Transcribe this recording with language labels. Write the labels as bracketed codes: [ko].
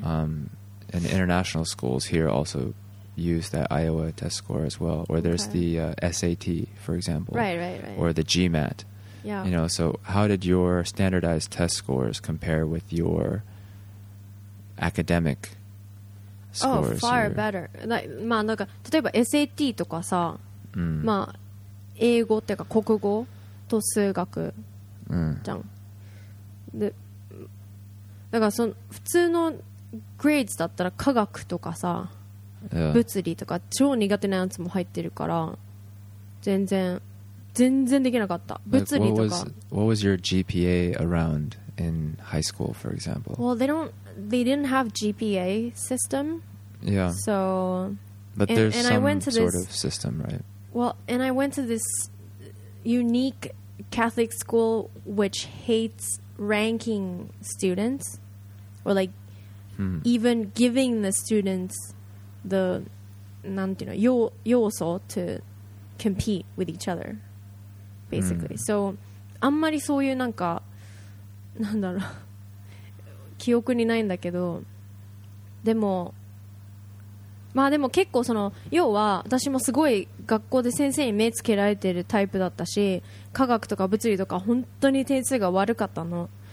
[en] And international schools here also use that Iowa test score as well. Or there's okay. the SAT, for example. Right, right, right. Or the GMAT. Yeah. You know, so how did your standardized test scores compare with your academic scores? Oh, far better. Like, [ja] まあなんか例えば SAT とかさ、うん、まあ英語っていうか国語と数学、うん、じゃん。で、だからその普通の grades だったら科学とかさ、 [en] yeah. [ja] 物理とか超苦手なやつも入ってるから全然。全然できなかった。物理とか。 [en] Like, what was your GPA around in high school, for example? Well, they didn't have GPA system. Yeah. So, but and, there's and some I went to sort this, of system, right? Well, and I went to this unique Catholic school which hates ranking students, or like even giving the students the, なんていうの、要素 to compete with each other. Basically. [ja] Mm. So, あんまりそういうなんかなんだろう記憶にないんだけど、でもまあでも結構その要は私もすごい学校で先生に目つけられてるタイプだったし、科学とか物理とか本当に点数が悪かったの。